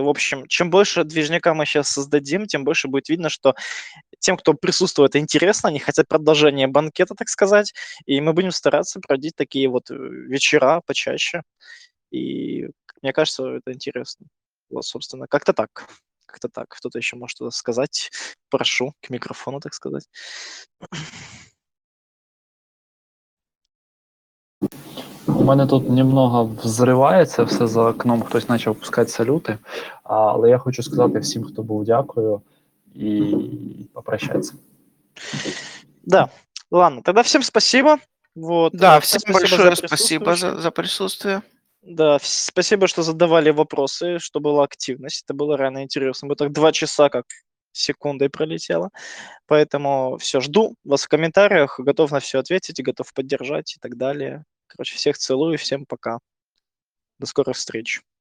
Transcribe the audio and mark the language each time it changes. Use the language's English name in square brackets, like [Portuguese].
[Russian] В общем, чем больше движняка мы сейчас создадим, тем больше будет видно, что тем, кто присутствует, интересно, они хотят продолжение банкета, так сказать, и мы будем стараться проводить такие вот вечера почаще. И мне кажется, это интересно. Вот, собственно, как-то так. Как-то так. Кто-то еще может что-то сказать? Прошу, к микрофону, так сказать. [Ukrainian] У мене тут немного взривається все за окном, хтось почав пускати салюти, але я хочу сказати всім, хто був, дякую і попрощатися. [Russian] Да, ладно, тогда [Ukrainian] всім [Russian] спасибо. Вот. Да, [Ukrainian] всім [Russian] спасибо большое за присутствие. Да, спасибо, [Ukrainian] що задавали вопросы, що була активність, це було реально інтересно, бо так 2 часа як секундой пролетело. [Russian] Поэтому все, жду вас в комментариях, готов на все ответить, готов поддержать и так далее. Короче, всех целую, всем пока. До скорых встреч.